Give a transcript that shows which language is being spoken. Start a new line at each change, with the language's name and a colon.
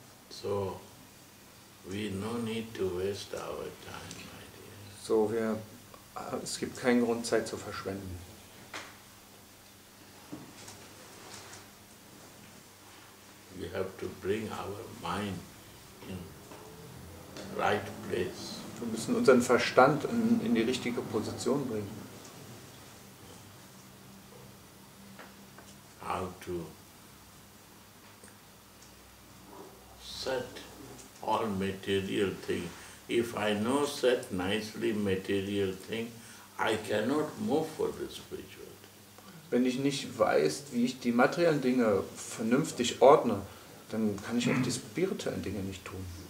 English: So, we no need to waste our time, my dear.
German: So, es gibt keinen Grund, Zeit zu verschwenden.
English: We have to bring our mind in right place.
German: Wir müssen unseren Verstand in die richtige Position bringen.
English: How to set all material thing. If I know set nicely material thing, I cannot move for the spiritual thing.
German: Wenn ich nicht weiß, wie ich die materiellen Dinge vernünftig ordne, dann kann ich auch die spirituellen Dinge nicht tun.